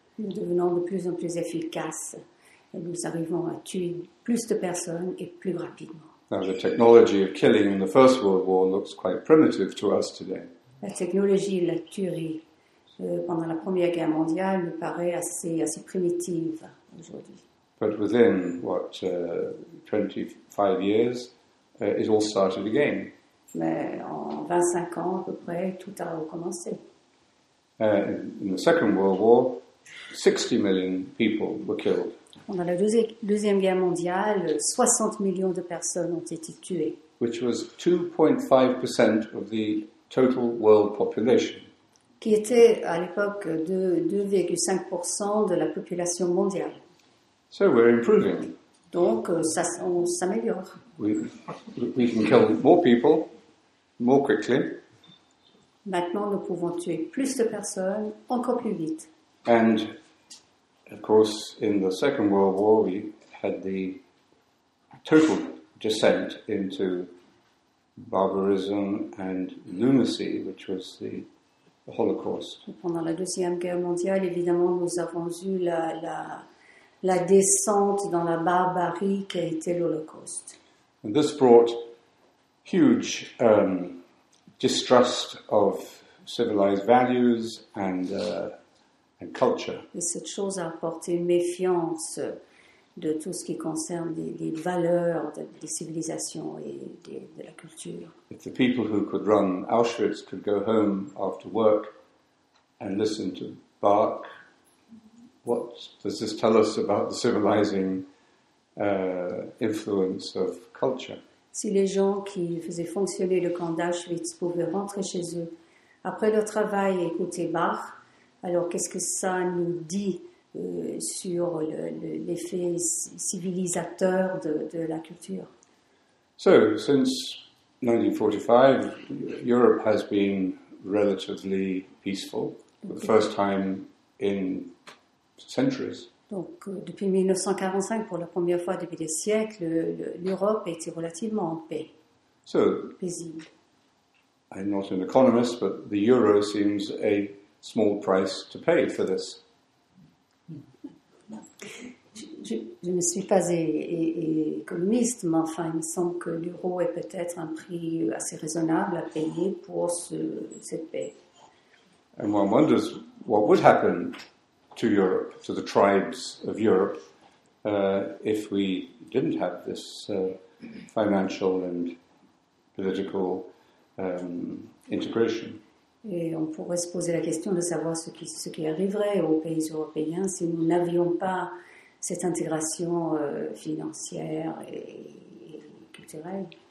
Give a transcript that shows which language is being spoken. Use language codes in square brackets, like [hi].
[fr] Nous devenons de plus en plus efficaces et nous arrivons à tuer plus de personnes et plus rapidement. [en] Now the technology of killing in the First World War looks quite primitive to us today. [fr] La technologie de la tuerie pendant la Première Guerre mondiale nous paraît assez primitive aujourd'hui. [en] But within what 25 years it all started again. [fr] Mais en 25 ans à peu près tout a recommencé. [en] In the Second World War 60 million people were killed. [fr] Pendant la Deuxième Guerre mondiale 60 millions de personnes ont été tuées. [en] Which was 2.5% of the total world population. [fr] Qui était à l'époque de 2,5% de la population mondiale. [en] So we're improving. [fr] Donc ça on s'améliore. [en] We can kill more people more quickly. [fr] Maintenant nous pouvons tuer plus de personnes encore plus vite. [en] And of course in the Second World War we had the total descent into barbarism and lunacy, which was the Holocaust. [fr] Pendant la Deuxième Guerre mondiale, évidemment, nous avons eu la descente dans la barbarie qui a été l'Holocaust. [en] And this brought huge distrust of civilized values and culture. [fr] Et cette chose a apporté méfiance de tout ce qui concerne les valeurs des civilisations et de la culture. [en] If the people who could run Auschwitz could go home after work and listen to Bach, what does this tell us about the civilizing influence of culture? [fr] Si les gens qui faisaient fonctionner le camp d'Auschwitz pouvaient rentrer chez eux après leur travail et écouter Bach, alors qu'est-ce que ça nous dit sur l'effet civilisateur de la culture. [en] So, since 1945, Europe has been relatively peaceful for the first time in centuries. [fr] Donc, depuis 1945, pour la première fois depuis des siècles, l'Europe a été relativement en paix. [en] So, [fr] paisible. [en] I'm not an economist, but the euro seems a small price to pay for this. [fr] Je ne suis pas économiste, mais enfin, il me semble que l'euro est peut-être un prix assez raisonnable à payer pour cette paix. [en] And one wonders what would happen to Europe, to the tribes of Europe, if we didn't have this financial and political integration. [fr] Et on pourrait se poser la question de savoir ce qui arriverait aux pays européens si nous n'avions pas cette intégration financière et culturelle.